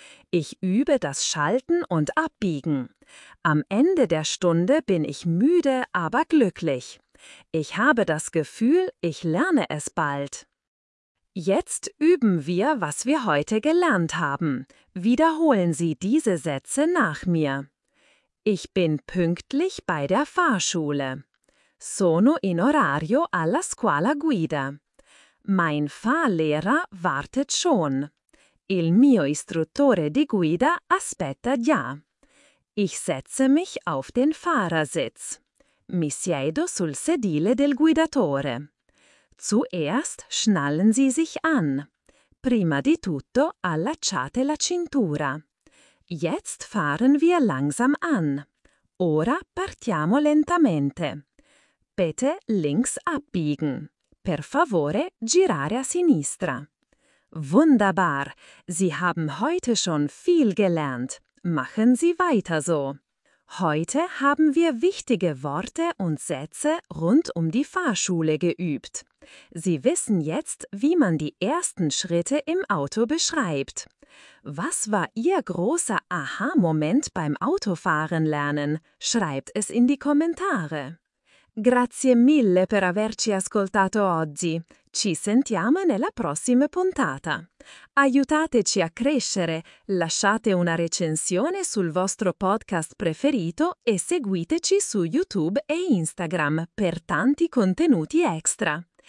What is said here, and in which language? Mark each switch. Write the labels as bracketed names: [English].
[German] Ich übe das Schalten und Abbiegen. Am Ende der Stunde bin ich müde, aber glücklich. Ich habe das Gefühl, ich lerne es bald. Jetzt üben wir, was wir heute gelernt haben. Wiederholen Sie diese Sätze nach mir. Ich bin pünktlich bei der Fahrschule. [Italian] Sono in orario alla scuola guida. [German] Mein Fahrlehrer wartet schon. [Italian] Il mio istruttore di guida aspetta già. [German] Ich setze mich auf den Fahrersitz. [Italian] Mi siedo sul sedile del guidatore. [German] Zuerst schnallen Sie sich an. [Italian] Prima di tutto allacciate la cintura. [German] Jetzt fahren wir langsam an. [Italian] Ora partiamo lentamente. [German] Bitte links abbiegen. [Italian] Per favore girare a sinistra. [German] Wunderbar! Sie haben heute schon viel gelernt. Machen Sie weiter so. Heute haben wir wichtige Worte und Sätze rund um die Fahrschule geübt. Sie wissen jetzt, wie man die ersten Schritte im Auto beschreibt. Was war Ihr großer Aha-Moment beim Autofahren lernen? Schreibt es in die Kommentare. [Italian] Grazie mille per averci ascoltato oggi. Ci sentiamo nella prossima puntata. Aiutateci a crescere, lasciate una recensione sul vostro podcast preferito e seguiteci su YouTube e Instagram per tanti contenuti extra.